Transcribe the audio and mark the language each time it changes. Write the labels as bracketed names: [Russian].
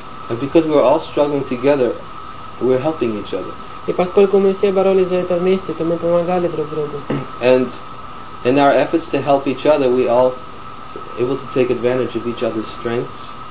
[English] And because we were all struggling together, we were helping each other. [Russian] И поскольку мы все боролись за это вместе, то мы помогали друг другу. [English] And in our efforts to help each other, we all able to take advantage of each other's strengths.